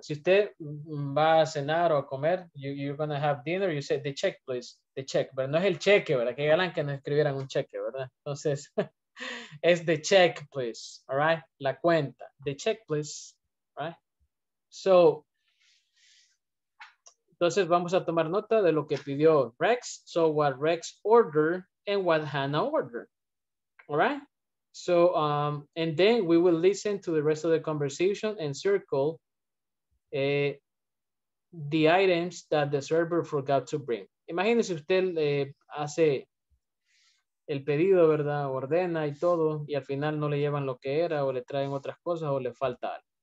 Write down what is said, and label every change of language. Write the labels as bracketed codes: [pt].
[es] Si usted va a cenar o a comer, [en] you're going to have dinner, you say the check, please. The check, [es] pero no es el cheque, ¿verdad? Qué galán que nos escribieran un cheque, ¿verdad? [en] Entonces... Es the check, please. All right. [es] La cuenta. [en] The check, please. All right. [es] So, entonces vamos a tomar nota de lo que pidió Rex. [en] So, what Rex ordered and what Hannah ordered. All right. So, and then we will listen to the rest of the conversation and circle the items that the server forgot to bring. [es] Imagínese usted hace el pedido, ¿verdad? Ordena y todo, y al final no le llevan lo que era, o le traen otras cosas, o le falta algo.